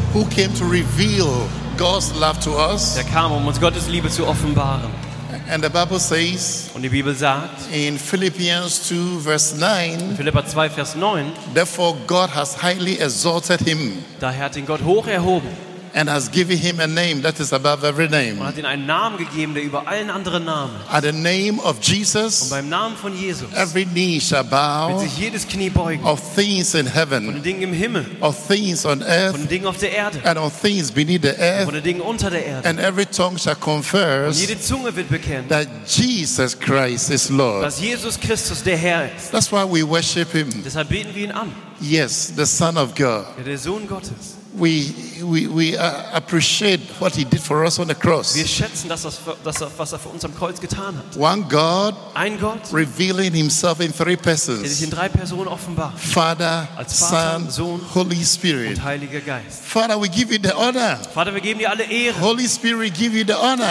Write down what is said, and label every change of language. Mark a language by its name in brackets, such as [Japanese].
[English] who came to reveal God's love to us, [German] der kam, um uns Gottes Liebe zu offenbaren. [English] And the Bible says, [German] und die Bibel sagt, [English] in Philippians 2, verse 9, [German] in Philipper 2, Vers 9, [English] therefore God has highly exalted him, [German] daher hat ihn Gott hoch erhoben, [English] and has given him a name that is above every name, [German] und hat ihn einen Namen gegeben, der über allen anderen Namen [English] ist. At the name of Jesus, [German] und beim Namen von Jesus, [English] every knee shall bow, [German] wird sich jedes Knie beugen, [English] of things in heaven, [German] von den Dingen im Himmel, [English] of things on earth, [German] von den Dingen auf der Erde, [English] and of things beneath the earth, [German] von den Dingen unter der Erde, [English] and every tongue shall confess, [German] und jede Zunge wird bekennen, [English] that Jesus Christ is Lord, [German] dass Jesus Christus der Herr ist. [English] That's why we worship him. [German] Deshalb beten wir ihn an. [English] Yes, the Son of God. [German] Ja, der Sohn Gottes. [English] We appreciate what he did for us on the cross. [German] Wir schätzen das, was er für uns am Kreuz getan hat. [English] One God, [German] ein Gott, [English] revealing himself in three persons. [German] Der sich in drei Personen offenbart. [English] Father, [German] als Vater, [English] Son, [German] Sohn, [English] Holy Spirit, [German] und Heiliger Geist. [English] Father, we give you the honor. [German] Vater, wir geben dir alle Ehre. [English] Holy Spirit, give you the honor.